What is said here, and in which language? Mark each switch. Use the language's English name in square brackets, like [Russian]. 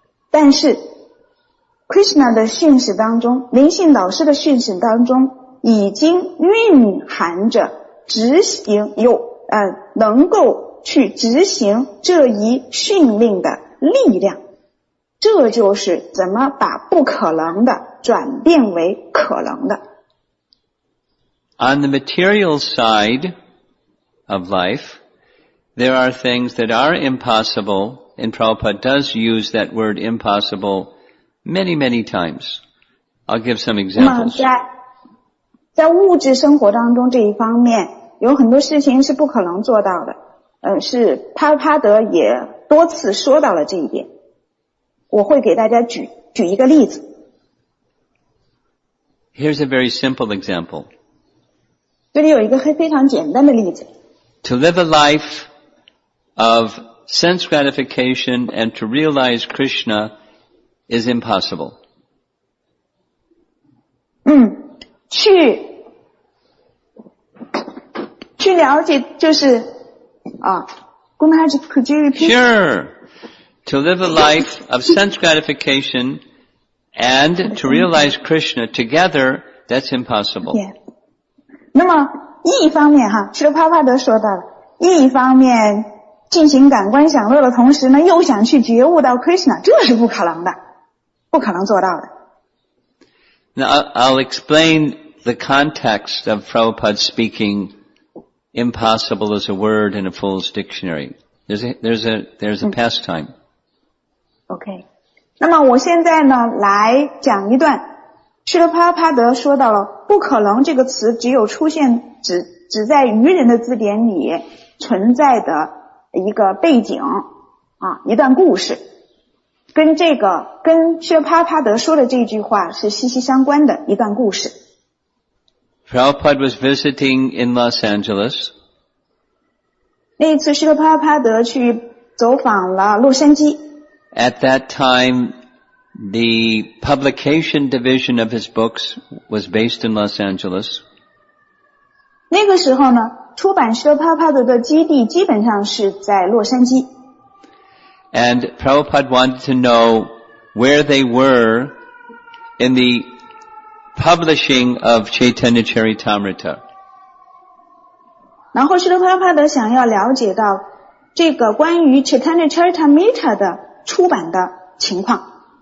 [Chinese] 但是 Krishna 的训示当中，灵性导师的训示当中已经蕴含着执行有能够去执行这一训令的力量，这就是怎么把不可能的转变为可能的。 [English] On the material side of life, there are things that are impossible, and Prabhupada does use that word impossible many, many times. I'll give some examples. [Chinese] 在物质生活当中这一方面，有很多事情是不可能做到的。是帕帕德也多次说到了这一点。我会给大家举一个例子。 [English] Here's a very simple example. [Chinese] 这里有一个非常简单的例子。 [English] To live a life of sense gratification and to realize Krishna is impossible. [Chinese] 去了解就是 [English] could you repeat? Sure. To live a life of sense gratification and to realize Krishna together, that's impossible. [Chinese] Yeah. 那么一方面哈，释迦帕帕德说到了，一方面进行感官享乐的同时呢，又想去觉悟到 Krishna, 这是不可能的，不可能做到的。 [English] Now I'll explain the context of Prabhupada speaking impossible as a word in a fool's dictionary. There's a pastime. Okay. [Chinese] 那么我现在呢来讲一段。释迦帕帕德说到了不可能这个词只有出现只在愚人的字典里存在的一个背景啊一段故事。跟释迦帕帕德说的这句话是息息相关的一段故事。 [English] Prabhupada was visiting in Los Angeles. [Chinese] 那一次释迦帕帕德去走访了洛杉矶。 [English] At that time, the publication division of his books was based in Los Angeles. [Chinese] 那个时候呢，出版释迦帕帕德的基地基本上是在洛杉矶。 [English] And Prabhupada wanted to know where they were in the publishing of Chaitanya Charitamrita. [Chinese] 然后释迦帕帕德想要了解到这个关于 Chaitanya Charitamrita 的出版的情况。